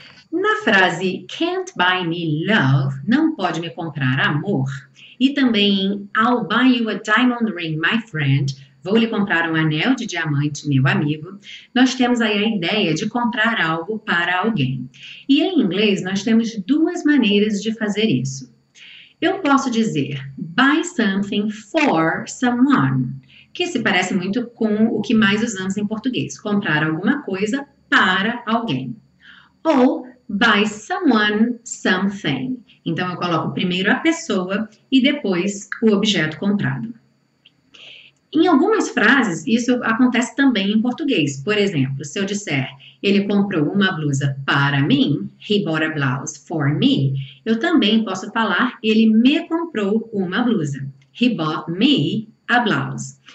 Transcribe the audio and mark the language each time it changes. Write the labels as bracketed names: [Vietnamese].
[Portuguese] Na frase [English] Can't Buy Me Love, [Portuguese] não pode me comprar amor, e também em [English] I'll buy you a diamond ring, my friend, [Portuguese] vou lhe comprar um anel de diamante, meu amigo, nós temos aí a ideia de comprar algo para alguém. E em inglês nós temos duas maneiras de fazer isso. Eu posso dizer [English] buy something for someone, [Portuguese] que se parece muito com o que mais usamos em português, comprar alguma coisa para alguém. Ou [English] buy someone something. [Portuguese] Então eu coloco primeiro a pessoa e depois o objeto comprado. Em algumas frases, isso acontece também em português. Por exemplo, se eu disser ele comprou uma blusa para mim, [English] he bought a blouse for me, [Portuguese] eu também posso falar ele me comprou uma blusa, [English] he bought me a blouse.